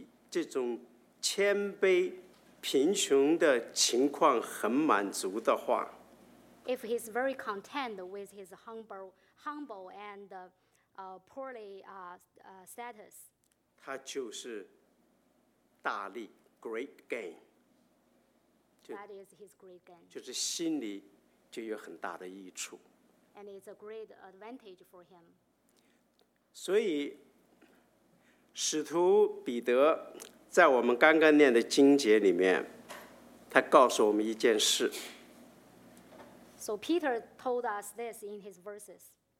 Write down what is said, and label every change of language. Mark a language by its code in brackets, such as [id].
[zh] 而且为他自己这种谦卑。贫穷的情况很满足的话, [en] if he's very content with his humble and poorly status, [zh] 他就是大利, [en] great gain. 就, that is his great gain. [zh] 就是心里就有很大的益处, [en] and it's a great advantage for him. [zh] 所以使徒彼得 在我们刚刚念的经节里面，他告诉我们一件事。 [en] So Peter told us this in his verses.